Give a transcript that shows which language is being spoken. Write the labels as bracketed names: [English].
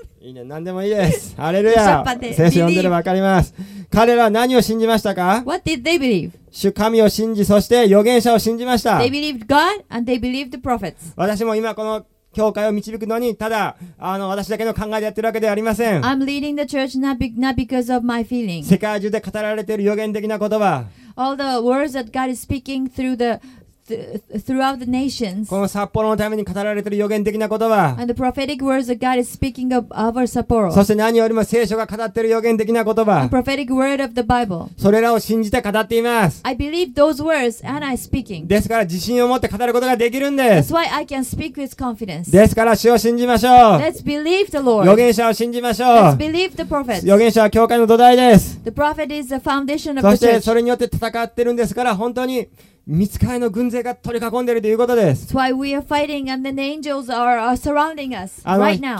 [Japanese] いいね、何でもいいです。ハレルヤ。聖書読んでれば分かります。彼らは何を信じましたか [English] ?What did they believe? [Japanese] 主神を信じ、そして預言者を信じました。 [English] They believed God and they believed the prophets. [Japanese] 私も今この教会を導くのに、ただ私だけの考えでやってるわけではありません。 [English] I'm leading the church not because of my feeling. [Japanese] 世界中で語られている預言的な言葉。 [English] All the words that God is speaking through theThroughout the nations, [Japanese] この札幌のために語られている予言的な言葉 [English] and the prophetic words that God is speaking of our Sapporo. [Japanese] そして何よりも聖書が語っている予言的な言葉 [English] and the prophetic word of the Bible. [Japanese] それらを信じて語っています [English] I believe those words and I speaking. [Japanese] ですから自信を持って語ることができるんです [English] That's why I can speak with confidence. [Japanese] ですから主を信じましょう [English] Let's believe the Lord. [Japanese] 予言者を信じましょう [English] Let's believe the prophets. [Japanese] 予言者は教会の土台です [English] The prophet is the foundation of the church. [Japanese] そしてそれによって戦ってるんですから本当に見つかりの軍勢が取り囲んでいるということです。 [English] That's why we are fighting and then the angels are surrounding us right now.